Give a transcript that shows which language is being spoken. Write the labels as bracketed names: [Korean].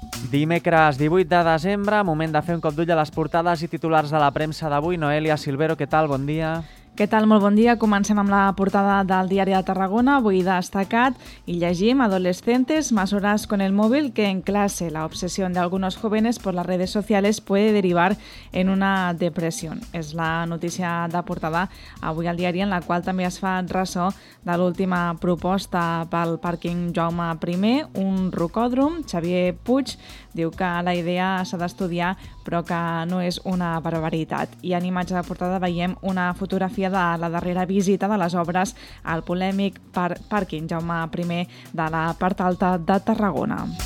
[Catalan] Dimecres 18 de desembre, moment de fer un cop d'ull a les portades i titulars de la premsa d'avui. Noelia Silvero, què tal? Bon dia. Què tal? Molt bon dia. Comencem amb la portada del Diari de Tarragona. Avui destacat i llegim: [Spanish] adolescentes, más horas con el móvil que en clase. La obsesión de algunos jóvenes por las redes sociales puede derivar en una depresión. [Catalan] És la notícia de portada avui al diari, en la qual també es fa ressò de l'última proposta pel pàrquing Jaume I, un rocòdrom. Xavier Puig diu que la idea s'ha d'estudiar, però que no és una barbaritat. I en imatge de portada veiem una fotografia de la darrera visita de les obres al polèmic pàrquing Jaume I de la part alta de Tarragona.